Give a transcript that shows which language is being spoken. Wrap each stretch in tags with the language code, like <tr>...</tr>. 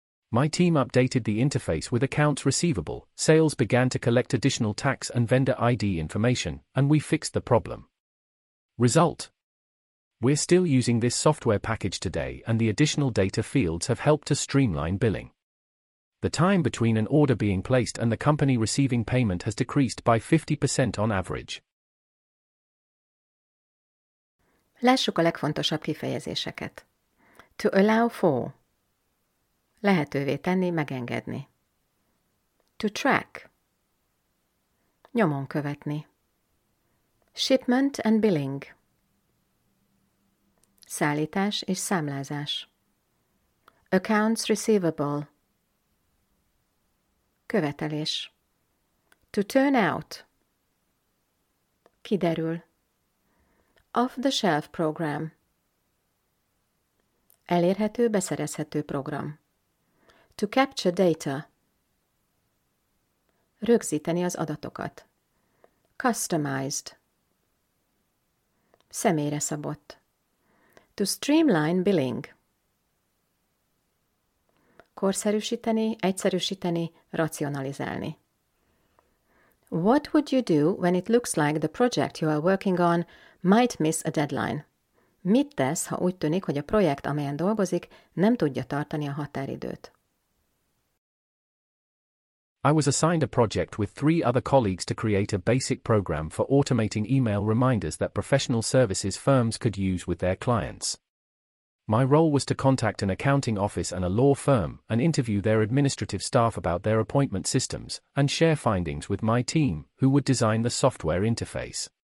<en>My team updated the interface with accounts receivable, sales began to collect additional tax and vendor ID information, and we fixed the problem. Result. We're still using this software package today, and the additional data fields have helped to streamline billing. The time between an order being placed and the company receiving payment has decreased by 50% on average.</en> <hu>Lássuk a legfontosabb kifejezéseket. To allow for. Lehetővé tenni, megengedni. To track. Nyomon követni.</hu> <en>Shipment and billing.</en> <hu>Szállítás és számlázás.</hu> <en>Accounts receivable. Követelés. To turn out. Kiderül. Off-the-shelf program.</en> <hu>Elérhető, beszerezhető program.</hu> <en>To capture data.</en> <hu>Rögzíteni az adatokat. Customized.</hu> <en>Személyre szabott. To streamline billing.</en> <hu>Korszerűsíteni, egyszerűsíteni, racionalizálni.</hu> <en>What would you do when it looks like the project you are working on might miss a deadline?</en> <hu>Mit tesz, ha úgy tűnik, hogy a projekt, amelyen dolgozik, nem tudja tartani a határidőt?</hu> <en>I was assigned a project with three other colleagues to create a basic program for automating email reminders that professional services firms could use with their clients. My role was to contact an accounting office and a law firm and interview their administrative staff about their appointment systems and share findings with my team, who would design the software interface.</en>